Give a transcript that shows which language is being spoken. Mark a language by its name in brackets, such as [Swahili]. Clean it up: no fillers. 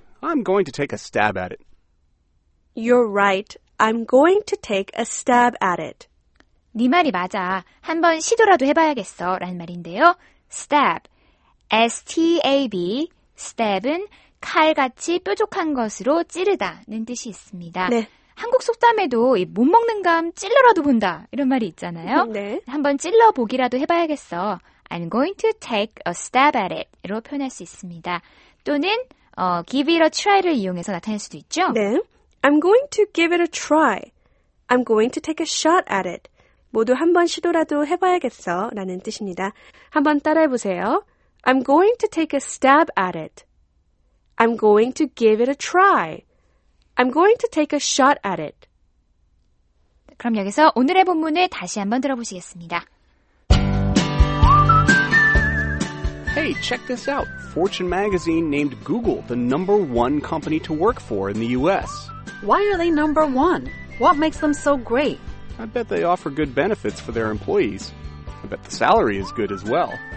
[English] I'm going to take a stab at it. You're right. I'm going to take a stab at it. [Korean] 네 말이 맞아. 한번 시도라도 해봐야겠어 라는 말인데요. [English] Stab. S-T-A-B. [Korean] Stab은 칼같이 뾰족한 것으로 찌르다는 뜻이 있습니다. 네. 한국 속담에도 이 못 먹는 감 찔러라도 본다 이런 말이 있잖아요. 네. 한번 찔러보기라도 해봐야겠어. [English] I'm going to take a stab at it [Korean] 로 표현할 수 있습니다. 또는 [English] give it a try를 [Korean] 이용해서 나타낼 수도 있죠. 네. [English] I'm going to give it a try. I'm going to take a shot at it. [Korean] 모두 한번 시도라도 해봐야겠어 라는 뜻입니다. 한번 따라해보세요. [English] I'm going to take a stab at it. I'm going to give it a try. I'm going to take a shot at it. [Korean] 그럼 여기서 오늘의 본문을 다시 한번 들어보시겠습니다. [English] Hey, check this out. Fortune magazine named Google the number one company to work for in the U.S. Why are they number one? What makes them so great? I bet they offer good benefits for their employees. I bet the salary is good as well.